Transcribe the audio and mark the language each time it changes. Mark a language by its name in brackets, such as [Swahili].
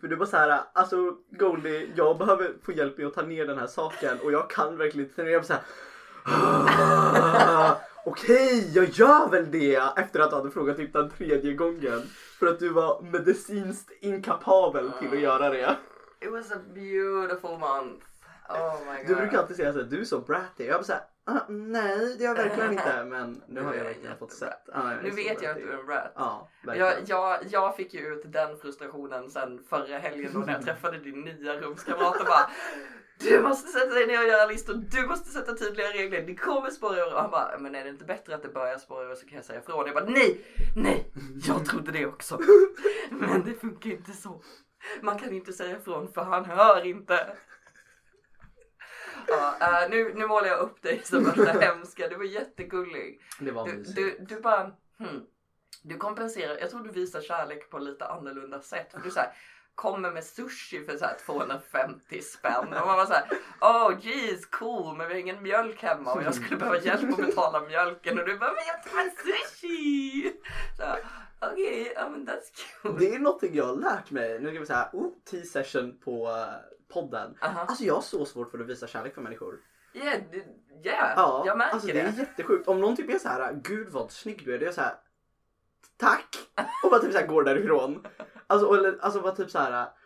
[Swedish] För du bara såhär, alltså Goldie, jag behöver få hjälp med att ta ner den här saken och jag kan verkligen inte. Jag bara såhär, okej, jag gör väl det efter att du hade frågat typ den tredje gången. För att du var medicinskt inkapabel till att göra det. [English] It was a beautiful month. Oh my god. [Swedish] Du brukar alltid säga att du är så bratty. Jag bara såhär, nej det gör jag verkligen inte. Men nu har jag verkligen fått sett. Nu vet jag att du är en brat. Ja, jag fick ju ut den frustrationen sen förra helgen då när jag träffade din nya rumskamrat och bara... du måste sätta dig ner och göra listor. Du måste sätta tydliga regler. Det kommer spåra ur. Och han bara, men är det inte bättre att det börjar spåra ur så kan jag säga ifrån. Jag bara, nej, jag trodde det också. Men det funkar inte så. Man kan inte säga ifrån för han hör inte. Ja, nu målar jag upp dig som att det hemska. Du var jättegullig. Det var du bara, du kompenserar. Jag tror du visar kärlek på lite annorlunda sätt. Du så här, kommer med sushi för så här 250 spänn. Och man var så här, [English] oh geez, cool. [Swedish] Men vi har ingen mjölk hemma och jag skulle behöva hjälp att betala mjölken. Och du bara, men jag tar med sushi. Så okej, okay, men [English] that's cool. [Swedish] Det är någonting jag har lärt mig. Nu ska vi säga, tea session på podden. Uh-huh. Alltså jag har så svårt för att visa kärlek för människor. Yeah, ja, jag märker alltså, det. Alltså det är jättesjukt. Om någon typ är så här, gud vad snygg du är. Då är jag så här, tack. Och bara typ så här, går därifrån. Alltså vad typ så här.